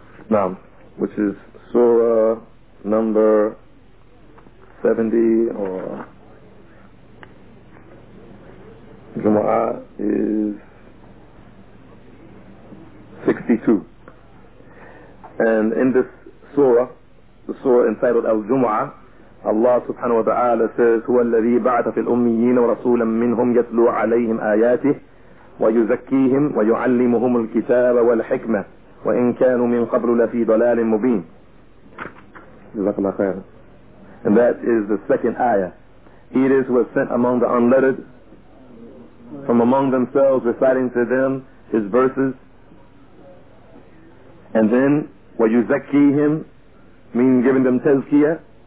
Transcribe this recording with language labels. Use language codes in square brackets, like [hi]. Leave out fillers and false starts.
[en] Now, which is Surah number 70, or Jum'ah is 62. And in this surah, the surah entitled Al-Jum'ah, Allah subhanahu wa ta'ala says, [ar] هو الذي بعث في الأميين ورسولا منهم يتلو عليهم آياته ويزكيهم ويعلمهم الكتاب والحكمة وإن كانوا من قبل لفي ضلال مبين. [en] And that is the second ayah. He it is who has sent among the unlettered from among themselves, reciting to them his verses. And then وَيُزَكِّيهِمْ, meaning giving them tazkiyah.